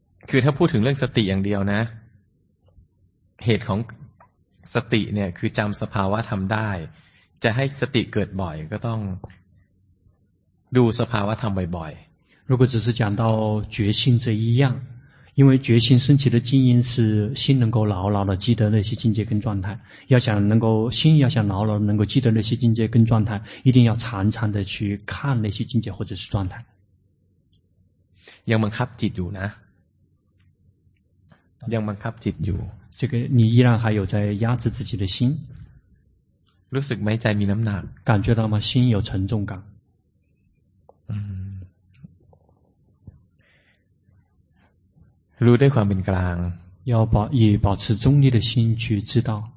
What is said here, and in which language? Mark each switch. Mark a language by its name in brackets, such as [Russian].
[Thai] คือถ้าพูดถึงเรื่องสติอย่างเดียวนะเหตุของสติเนี่ยคือจำสภาวะทำได้จะให้สติเกิดบ่อยก็ต้องดูสภาวะทำบ่อยๆ [Chinese] 如果只是讲到觉性这一样，因为觉性升起的经验是心能够牢牢的记得那些境界跟状态。要想能够心要想牢牢能够记得那些境界跟状态，一定要常常的去看那些境界或者是状态。 [Thai] ยังบังคับจิตอยู่นะ ยังบังคับจิตอยู่。 [Chinese] 这个你依然还有在压制自己的心。 [Thai] รู้สึกไหมใจมีน้ำหนัก [Chinese] 感觉到吗？心有沉重感。 [Thai] รู้ด้วยความเป็นกลาง [Chinese] 要保以保持中立的心去知道